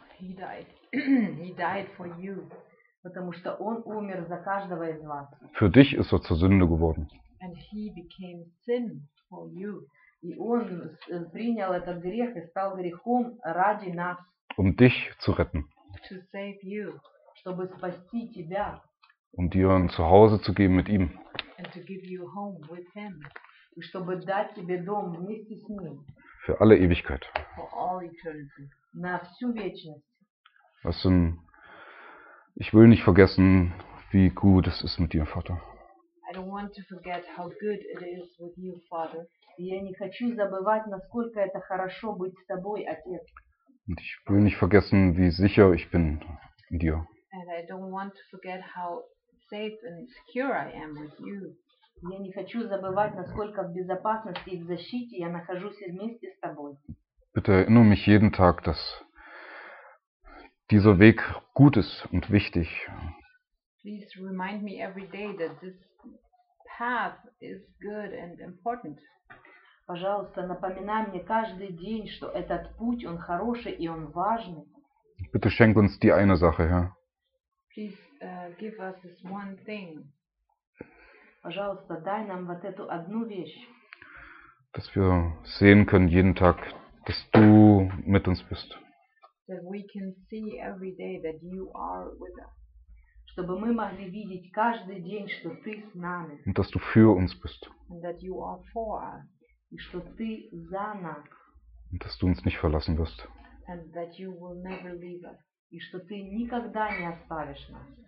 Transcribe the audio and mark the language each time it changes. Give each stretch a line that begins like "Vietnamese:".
English: He died. He died for you.
Russian: Потому что Он умер за каждого из вас.
German: Für dich ist er zur Sünde geworden.
English: And He became sin for you.
Russian: И Он принял этот грех и стал грехом ради нас.
German: Um dich zu retten.
English: To save you.
Russian: Чтобы спасти тебя.
German: Um dir ein Zuhause zu geben mit ihm.
English: And to give you home with him.
Russian: И чтобы дать тебе дом вместе с ним.
German: Für alle Ewigkeit.
English: For all eternity.
Russian: На всю вечность.
German: Was denn? Ich will nicht vergessen, wie gut es ist mit dir, Vater.
English: I don't want to forget how good it is with you, Father.
Russian: Я не хочу забывать, насколько это хорошо быть с тобой, Отец.
German: Und ich will nicht vergessen, wie sicher ich bin in dir.
English: And I don't want to forget how safe and secure I am with you.
Russian: Я не хочу забывать, насколько в безопасности и в защите я нахожусь вместе с тобой.
German: Bitte erinnere mich jeden Tag, dass dieser Weg gut ist und wichtig.
English: Please remind me every day that this path is good and important.
Russian: Пожалуйста, напоминай мне каждый день, что этот путь, он хороший и он важный.
German: Bitte schenk uns die eine Sache, Herr.
English: Please give us this one thing.
Russian: Пожалуйста, дай нам вот эту одну вещь.
German: Dass wir sehen können jeden Tag, dass du mit uns bist.
English: That we can see every day that you are with us.
Russian: Чтобы мы могли видеть каждый день, что ты с нами.
German: Und dass du für uns bist.
English: And that you are for us.
Russian: И что ты за нас.
German: Und dass du uns nicht verlassen wirst.
English: And that you will never leave us.
Russian: И что ты никогда не оставишь нас.